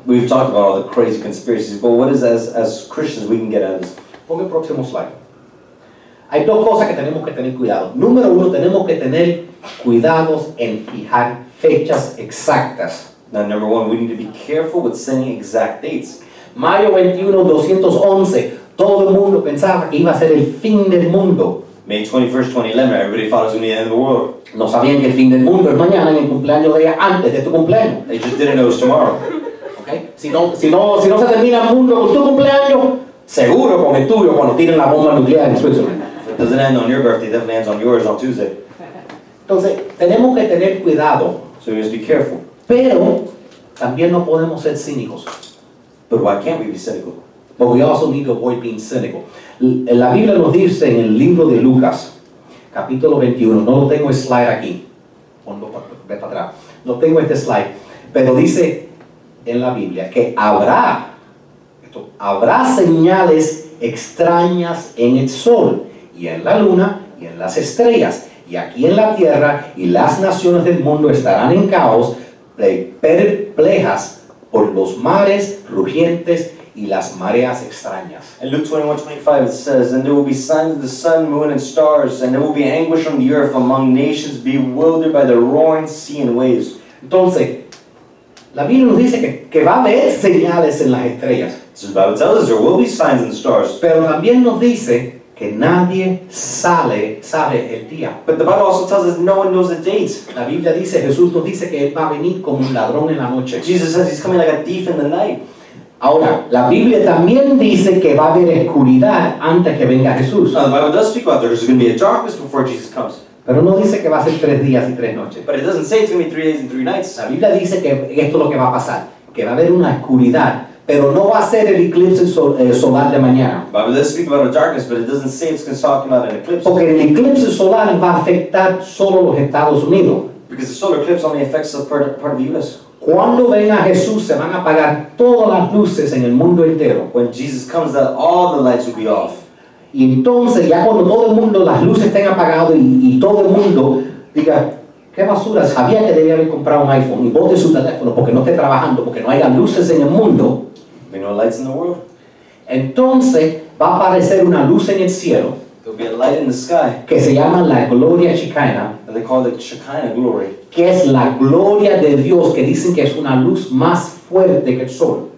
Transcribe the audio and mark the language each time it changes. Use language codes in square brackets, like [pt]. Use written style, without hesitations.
[en] We've talked about all the crazy conspiracies, but what is that as Christians we can get out of this? [es] Ponga el próximo slide. Hay dos cosas que tenemos que tener cuidado. Número uno, tenemos que tener cuidados en fijar fechas exactas. [en] Now, number one, we need to be careful with setting exact dates. [es] Mayo 21, 211, todo el mundo pensaba que iba a ser el fin del mundo. [en] May 21st, 2011, everybody thought it was going to be the end of the world. [es] No sabían que el fin del mundo es mañana en el cumpleaños de ella antes de tu cumpleaños. [en] They just didn't know it was tomorrow. Okay. [es] Si no se termina el mundo con tu cumpleaños, seguro con el tuyo cuando tiren la bomba nuclear en Switzerland. [en] It doesn't end on your birthday, it definitely ends on yours on Tuesday. [es] Entonces, tenemos que tener cuidado. [en] So you must be careful. [es] Pero, también no podemos ser cínicos. [en] But why can't we be cynical? But we also need to avoid being cynical. [es] La Biblia nos dice en el libro de Lucas, capítulo 21, no lo tengo el slide aquí. Pongo para atrás. No tengo este slide. Pero dice en la Biblia que habrá señales extrañas en el sol, y en la luna, y en las estrellas, y aquí en la tierra, y las naciones del mundo estarán en caos, perplejas por los mares rugientes y las mareas extrañas. [en] In Luke 21:25 it says, and there will be signs of the sun, moon, and stars, and there will be anguish on the earth among nations bewildered by the roaring sea and waves. [es] Entonces, la Biblia nos dice que va a haber señales en las estrellas. [en] So the Bible tells us there will be signs in the stars. [es] Pero también nos dice que nadie sabe el día. [en] But the Bible also tells us no one knows the date. [es] La Biblia dice, Jesús nos dice que él va a venir como un ladrón en la noche. [en] Jesus says he's coming like a thief in the night. [es] Ahora, la Biblia también dice que va a haber oscuridad antes que venga Jesús. [en] Now, the Bible does speak about there's going to be a darkness before Jesus comes. [es] Pero no dice que va a ser 3 días y 3 noches. [en] But it doesn't say it's going to be 3 days and 3 nights. [es] La Biblia dice que esto es lo que va a pasar, que va a haber una oscuridad. Pero no va a ser el eclipse solar de mañana. [en] But let's speak about a darkness, but it doesn't say it's going to talk about an eclipse. [es] Porque el eclipse solar va a afectar solo los Estados Unidos. [en] Because the solar eclipse only affects the part of the U.S. [es] Cuando venga Jesús, se van a apagar todas las luces en el mundo entero. [en] When Jesus comes, that all the lights will be off. [es] Y entonces, ya cuando todo el mundo, las luces estén apagadas y todo el mundo diga, ¿qué basura? Sabía que debía haber comprado un iPhone y bote su teléfono porque no esté trabajando, porque no haya luces en el mundo. [en] We know lights in the world. [es] Entonces, va a aparecer una luz en el cielo. [en] There'll be a light in the sky. [es] Que se llama la Gloria Chicana. [en] And they call the Shekinah glory. [es] Que es la gloria de Dios, que dicen que es una luz más fuerte que el sol.